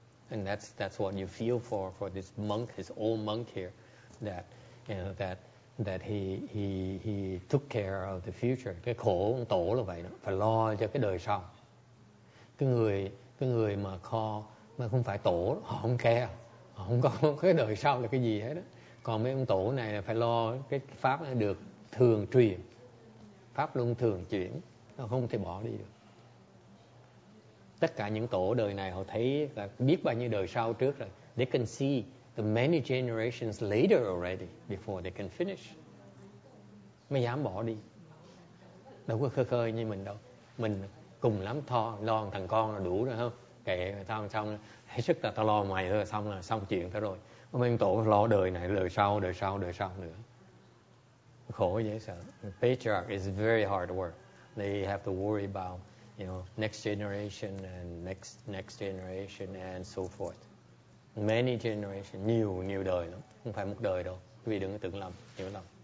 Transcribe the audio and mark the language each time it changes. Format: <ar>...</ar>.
<en>And that's what you feel for this monk, this old monk here, that you know that he took care of the future.</en> <vi>Cái khổ ông tổ là vậy đó, phải lo cho cái đời sau. Cái người mà kho mà không phải tổ, họ không care, họ không có cái đời sau là cái gì hết đó. Còn mấy ông tổ này là phải lo cái pháp được thường truyền, pháp luân thường chuyển, nó không thể bỏ đi được. Tất cả những tổ đời này họ thấy là biết bao nhiêu đời sau trước rồi.</vi> <en>They can see the many generations later already before they can finish.</en> <vi>Mới dám bỏ đi. Đâu có khơ khơ như mình đâu. Mình cùng lắm thò, lo thằng con là đủ rồi không? Kệ người ta xong, hết sức là ta lo mày thôi là xong chuyện thôi rồi. Mấy tổ lo đời này, đời sau nữa. Khổ dễ sợ.</vi> <en>The patriarch is very hard work. They have to worry about next generation and next generation and so forth. Many generation,</en> <vi>nhiều đời lắm. Không phải một đời đâu. Quý vị đừng có tưởng lầm, hiểu lầm.</vi>